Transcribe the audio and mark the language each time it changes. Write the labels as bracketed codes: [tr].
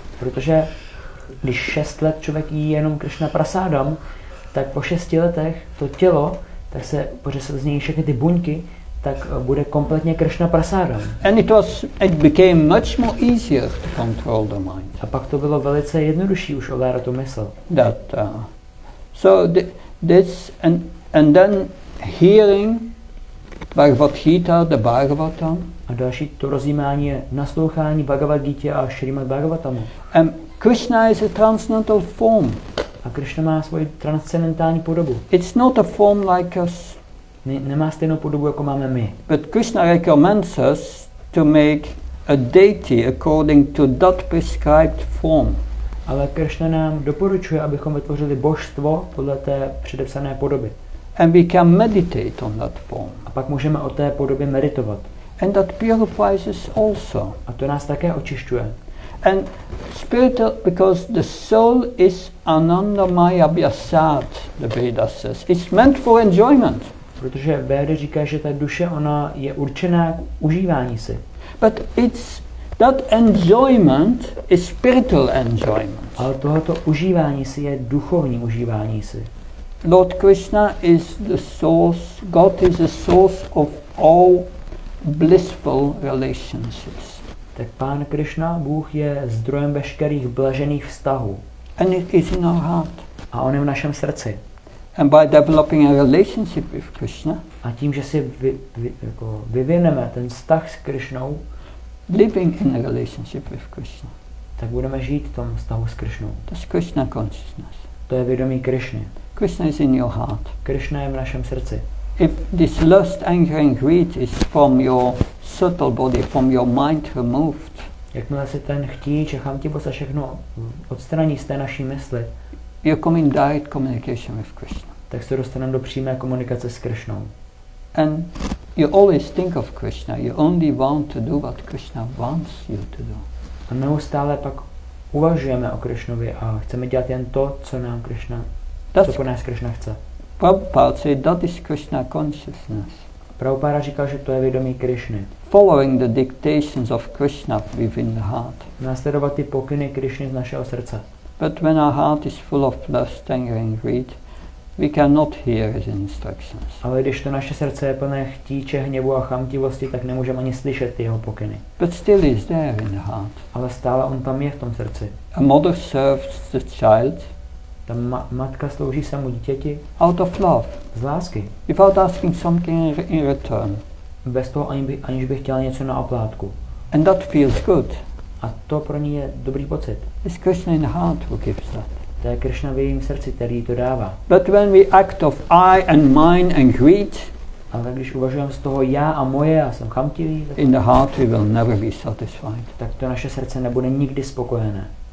[cs] Protože když 6 let člověk jí jenom Krishna prasádam, tak po 6 letech to tělo, tak se, protože se z něj všechny ty buňky, tak bude kompletně Krishna prasádam. [en] And it became much more easier to control the mind. [cs] A pak to bylo velice jednodušší už ovládat tu mysl. [en] That, so this and And then hearing Bhagavad Gita, the Bhagavatam. [cs] A další to rozjímání je naslouchání Bhagavad Gita a Srimad Bhagavatam. [en] And Krishna is a transcendental form. [cs] A Krishna má svoji transcendentální podobu. [en] It's not a form like us. [cs] Nemá stejnou podobu, jako máme my. [en] But Krishna recommends us to make a deity according to that prescribed form. [cs] Ale Krishna nám doporučuje, abychom vytvořili božstvo podle té předepsané podoby. [en] And we can meditate on that form. [cs] A pak můžeme o té podobě meditovat. [en] And that purifies us also. [cs] A to nás také očišťuje. [en] And spiritual, because the soul is anandamaya vyasat, the Veda says. It's meant for enjoyment. [cs] Protože Veda říká, že ta duše, ona je určená k užívání si. [en] But it's that enjoyment is spiritual enjoyment. [cs] Ale tohoto užívání si je duchovní užívání si. [en] Lord Krishna is the source, God is the source of all blissful relationships. [cs] Tak Pán Krishna, Bůh, je zdrojem veškerých blažených vztahů. [en] And it is in our heart. [cs] A on je v našem srdci. [en] And by developing a relationship with Krishna, [cs] a tím, že si vyvineme ten vztah s Krishnou, [en] living in a relationship with Krishna, [cs] tak budeme žít v tom vztahu s Krishnou. [en] That's Krishna consciousness. [cs] To je vědomí Krishny. [en] Krishna is in your heart. [cs] Krishna je v našem srdci. [en] If this lust, anger and greed is from your subtle body, from your mind removed. [cs] Jakmile si ten chtíč a chamtivost a všechno odstraní z té naší mysli, [en] you come in direct communication with Krishna. [cs] Tak se dostaneme do přímé komunikace s Krishnou. [en] And you always think of Krishna. You only want to do what Krishna wants you to do. [cs] A neustále pak uvažujeme o Krishnovi a chceme dělat jen to, co nám Krishna, [en] that's [cs] co po nás Krishna chce. [en] Prabhupada say that is Krishna consciousness. [cs] Prabhupada říkal, že to je vědomí Krishny. [en] Following the dictations of Krishna within the heart. [cs] Následovat ty pokyny Krishny z našeho srdce. [en] But when our heart is full of lust, anger and greed, we cannot hear his instructions. [cs] Ale když to naše srdce je plné chtíče, hněvu a chamtivosti, tak nemůžeme ani slyšet jeho pokyny. [en] But still is there in the heart. [cs] Ale stále on tam je v tom srdci. [en] A mother serves the child. [cs] Ta matka slouží samu dítěti. [en] Out of love. [cs] Z lásky. [en] Without asking something in return. [cs] Bez toho, aniž by chtěla něco na oplátku. [en] And that feels good. [cs] A to pro ní je dobrý pocit. [en] It's Krishna in heart who gives that. [cs] To je Krishna v jejím srdci, který to dává. [en] But when we act of I and mine and greed. [cs] Ale když uvažujeme z toho já a moje a jsem chamtivý. [en] In the heart we will never be satisfied. [cs] Tak to naše srdce nebude nikdy spokojené.